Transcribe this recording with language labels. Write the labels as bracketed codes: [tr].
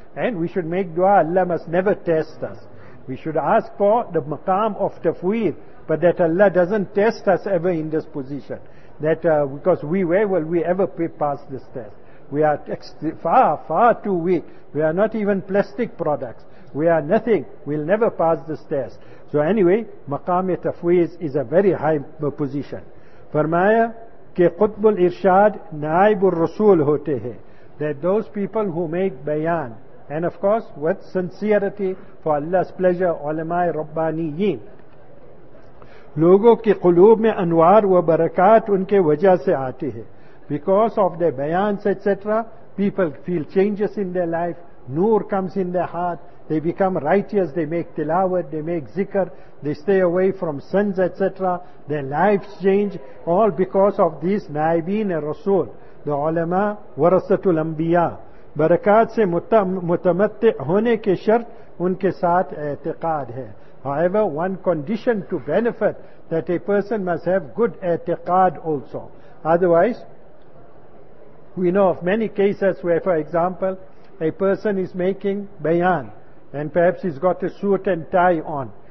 [en] And we should make dua, Allah must never test us. We should ask for the maqam of tafweez, but that Allah doesn't test us ever in this position. That because we, where will we ever pass this test? We are far, far too weak. We are not even plastic products. We are nothing. We'll never pass this test. So anyway, maqam e tafweez is a very high position. [ur] فرمایا کہ قطب الارشاد نائب الرسول ہوتے ہیں. [en] That those people who make bayan, and of course with sincerity for Allah's pleasure, [ur] علمائے ربانیین, لوگوں کے قلوب میں انوار و برکات ان کے وجہ سے آتے ہیں. [en] Because of their bayans etc., people feel changes in their life, noor comes in their heart, they become righteous, they make tilawat, they make zikr, they stay away from sins etc., their lives change, all because of these naibin and rasul, the ulama, warasatul anbiya. [ur] برکات سے متمتع ہونے کے شرط ان کے ساتھ اعتقاد ہے. [en] However, one condition to benefit, that a person must have good اعتقاد also. Otherwise, we know of many cases where, for example, a person is making bayan and perhaps he's got a suit and tie on.